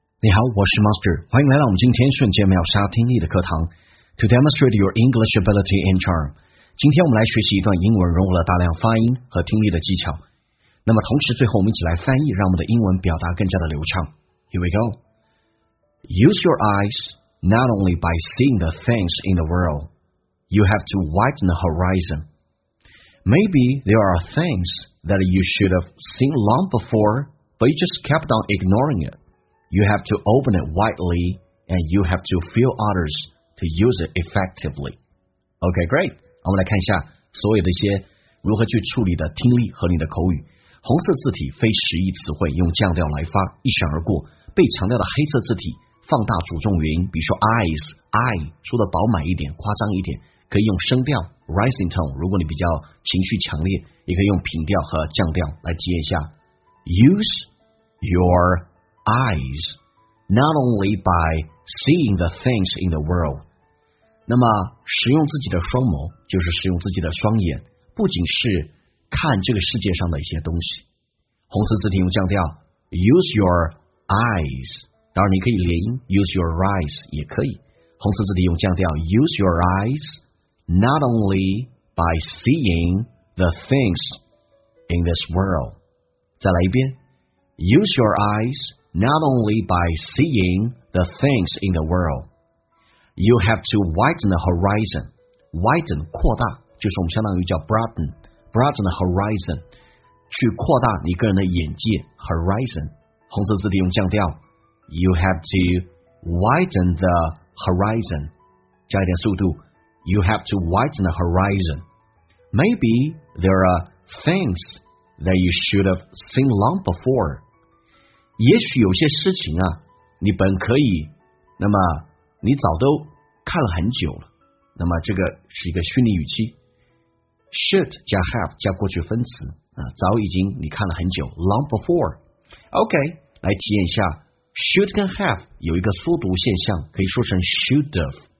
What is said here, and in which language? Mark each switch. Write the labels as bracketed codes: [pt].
[zh] 你好，我是 Master， 欢迎来到我们今天瞬间秒杀听力的课堂。 [en] To demonstrate your English ability and charm， [zh] 今天我们来学习一段英文，融入了大量发音和听力的技巧。那么同时最后我们一起来翻译，让我们的英文表达更加的流畅。 [en] Here we go. Use your eyes not only by seeing the things in the world, you have to widen the horizon. Maybe there are things that you should have seen long before, but you just kept on ignoring it. You have to open it widely, and you have to feel others to use it effectively. Okay, great. [zh] 我们来看一下所有的一些如何去处理的听力和你的口语。红色字体非实义词汇，用降调来发，一闪而过。被强调的黑色字体放大主重元音，比如说 eyes, eye, 说的饱满一点，夸张一点，可以用升调 rising tone。如果你比较情绪强烈，也可以用平调和降调来接一下。 [en] Use your eyes, not only by seeing the things in the world. [zh] 那么使用自己的双眸，就是使用自己的双眼，不仅是看这个世界上的一些东西。红色字体用降调 ， [en] use your eyes. [zh] 当然你可以连音 ， [en] use your eyes [zh] 也可以。红色字体用降调 [en] ，use your eyes, not only by seeing the things in this world. [zh] 再来一遍 [en] ，use your eyes. Not only by seeing the things in the world, you have to widen the horizon. [zh] Widen 扩大，就是我们相当于叫 [en] broaden the horizon, [zh] 去扩大你个人的眼界 horizon. 红色字体用降调 [en] you have to widen the horizon. [zh] 加一点速度 [en] you have to widen the horizon. Maybe there are things that you should have seen long before. [zh] 也许有些事情啊，你本可以，那么你早都看了很久了。那么这个是一个虚拟语气 ，should 加 have 加过去分词啊，早已经你看了很久 ， [en] long before。 [zh] OK， 来体验一下 ，should 跟 have 有一个缩读现象，可以说成 [en] should have。